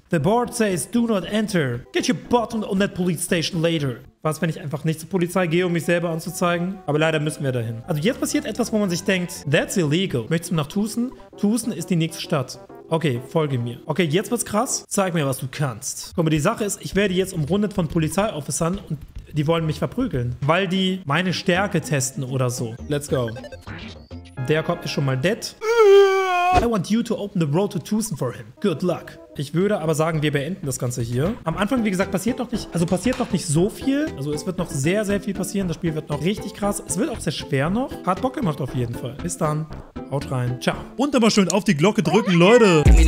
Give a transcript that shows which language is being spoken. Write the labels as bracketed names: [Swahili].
[English] The board says do not enter. Get your butt on that police station later. [German] Was, wenn ich einfach nicht zur Polizei gehe, um mich selber anzuzeigen? Aber leider müssen wir dahin. Also jetzt passiert etwas, wo man sich denkt, [English] that's illegal. [German] Möchtest du nach Tucson? Tucson ist die nächste Stadt. Okay, folge mir. Okay, jetzt wird's krass. Zeig mir, was du kannst. Guck mal, die Sache ist, ich werde jetzt umrundet von Polizeiofficern und die wollen mich verprügeln, weil die meine Stärke testen oder so. [English] Let's go. [German] Der Kopf ist schon mal dead. [English] I want you to open the road to Tucson for him. Good luck. [German] Ich würde aber sagen, wir beenden das Ganze hier. Am Anfang, wie gesagt, passiert noch nicht so viel. Also es wird noch sehr, sehr viel passieren. Das Spiel wird noch richtig krass. Es wird auch sehr schwer noch. Hat Bock gemacht auf jeden Fall. Bis dann. Haut rein. Ciao. Und immer schön auf die Glocke drücken, Leute.